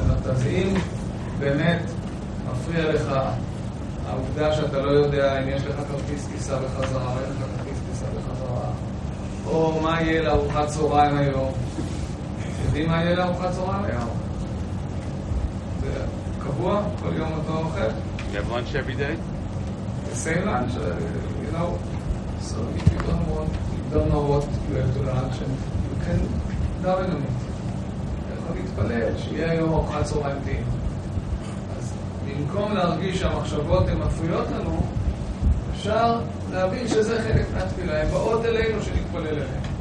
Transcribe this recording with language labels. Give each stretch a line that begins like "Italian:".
Hebrew: אז אם באמת מפריע לך העובדה שאתה לא יודע אם יש לך כרטיס טיסה בחזרה או אין לך כרטיס טיסה בחזרה, או מה יהיה לארוחת צהריים היום, יודעים מה יהיה לארוחת צהריים היום? זה קבוע? כל יום אותו אוכל?
English: You have lunch every day? The same lunch, you know. So if you don't want, you don't know what you have to lunch, you can
Hebrew: אתה יכול להתפלל שיהיה היום ארוחת צהריים טעימה. אז במקום להרגיש שהמחשבות הן מפריעות לנו, אפשר להבין שזה חלק מהתפילה, הן באות אלינו שנתפלל אליהן.